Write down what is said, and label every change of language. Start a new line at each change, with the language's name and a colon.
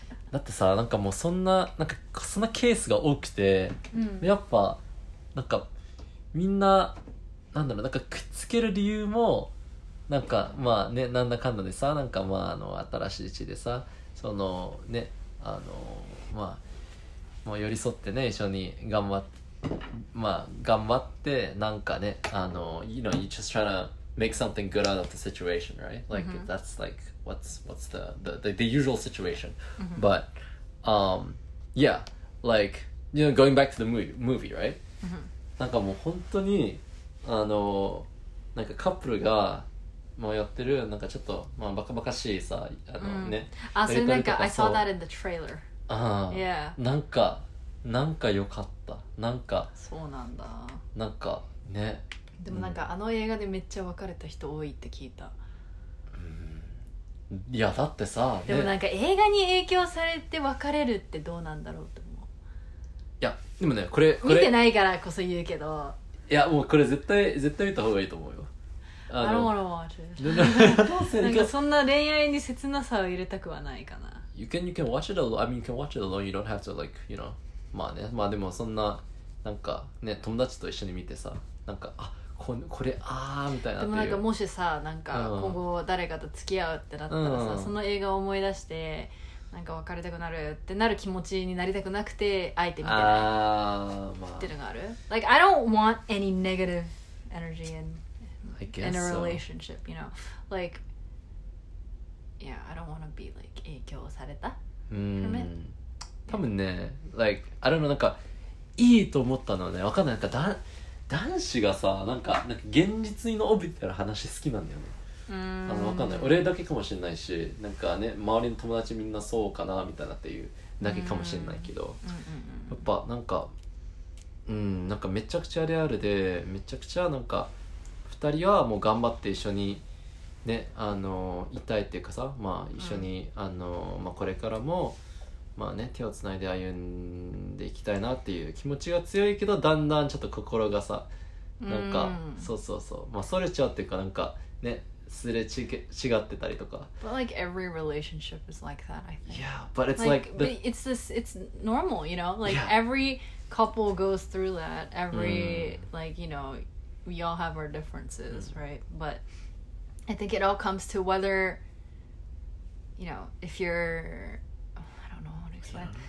Japanese: だってさ、なんかもうそんな、なんかそんなケースが多くて、やっぱ、なんか、みんな、なんだろう、なんかくっつける理由も、なんか、まあね、なんだかんだでさ、なんかまあ、あの、新しい地でさ、その、ね、あの、まあ、もう寄り添ってね、一緒に頑張っ、まあ、頑張って、なんかね、あの、
English: you know, you're just trying to make something good out of the situation, right? Like,、mm-hmm. that's like, what's the usual situation.、 Mm-hmm. But, yeah, like, you know, going back to the movie, right?、 Mm-hmm.
Japanese: なんかもう本当にあのなんかカップルがもうやってるなんかちょっと、まあ、バカバカしいさあの、mm. ね、あ、それなんか
English: I saw that in the trailer、 Yeah.
Japanese: なんか良かった、なんかそうなんだ、なんかね、でもなんか、うん、あの映画でめっちゃ別れた人多いって聞いた、うん、いやだってさ、でもなんか、ね、映画に影響されて別れるってどうなんだろうって、いやでもねこれ見てないからこそ言うけど、いやもうこれ絶対見た方がいいと思うよ。あの、
English: I don't wanna watch it.
Japanese: なんかそんな恋愛に切なさを入れたくはないかな。
English: You can watch it alone. I mean, you can watch it alone. You don't have to like, you know.
Japanese: まあね、まあでもそんななんかね、友達と一緒に見てさ、なんかあこれあーみたいな。でもなんかもしさ、なんか今後誰かと付き合うってなったらさ、その映画を思い出して。なんか別れたくなるってなる気持ちになりたくなくて、あえて見てない。あ、っていうのがある。
English: Like, I don't want any negative energy in a relationship, so. You know? Like, yeah, I don't want to be, like,
Japanese: 影響された。多分ね、
English: like, I don't know,
Japanese: なんか、いいと思ったのね。わかんない。なんか、男子がさ、なんか現実にの帯びてる話好きなんだよね。あの、わかんない、俺だけかもしれないし、なんかね、周りの友達みんなそうかなみたいなっていうだけかもしれないけど、やっぱなんか、うん、なんかめちゃくちゃリアルで、めちゃくちゃなんか2人はもう頑張って一緒にね、あのいたいっていうかさ、まあ一緒に、あの、まあ、これからもまあね、手をつないで歩んでいきたいなっていう気持ちが強いけど、だんだんちょっと心がさなんか、そうそうそう、まあ、それちゃうっていうか、なんかね、すれ違ってたりとか。
English: But like every relationship is like that, I think. Yeah, but it's like the... but it's this, it's normal, you know? Like, yeah. every couple goes through that. Every, like, you know, we all have our differences, right? But I think it all comes to whether, you know, if you're, I don't know how to explain.